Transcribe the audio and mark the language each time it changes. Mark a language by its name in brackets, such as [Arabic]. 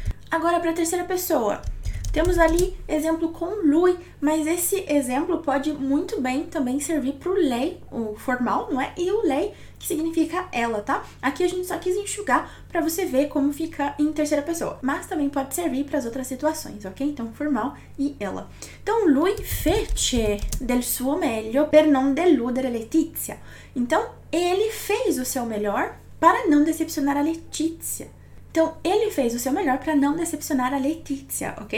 [Portuguese] Agora para a terceira pessoa. Temos ali exemplo com lui, mas esse exemplo pode muito bem também servir para o lei, o formal, não é? E o lei que significa ela, tá? Aqui a gente só quis enxugar para você ver como fica em terceira pessoa, mas também pode servir para as outras situações, ok? Então, formal e ela. [Italian] Então, lui fece del suo meglio per non deludere Letizia. [Portuguese] Então, ele fez o seu melhor para não decepcionar a Letícia. Então, ele fez o seu melhor para não decepcionar a Letícia, ok?